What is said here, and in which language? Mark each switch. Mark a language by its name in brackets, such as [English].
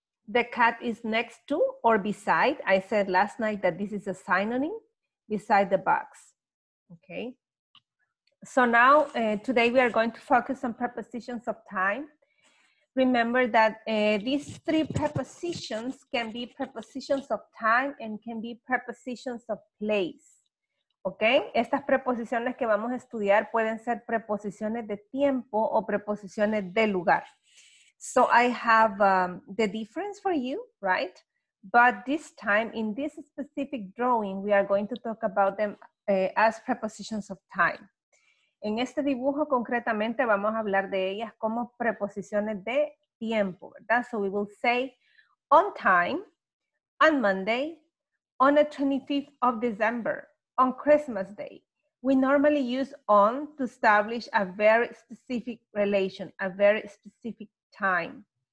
[English] The cat is next to or beside. I said last night that this is a synonym, beside the box. Okay. So now today we are going to focus on prepositions of time. Remember that these three prepositions can be prepositions of time and can be prepositions of place. [Spanish] Okay, estas preposiciones que vamos a estudiar pueden ser preposiciones de tiempo o preposiciones de lugar. [English] So I have the difference for you, right? But this time, in this specific drawing, we are going to talk about them as prepositions of time. [Spanish] En este dibujo, concretamente, vamos a hablar de ellas como preposiciones de tiempo, ¿verdad? [English] So we will say on time, on Monday, on the 25th of December. On Christmas Day, we normally use on to establish a very specific relation, a very specific time.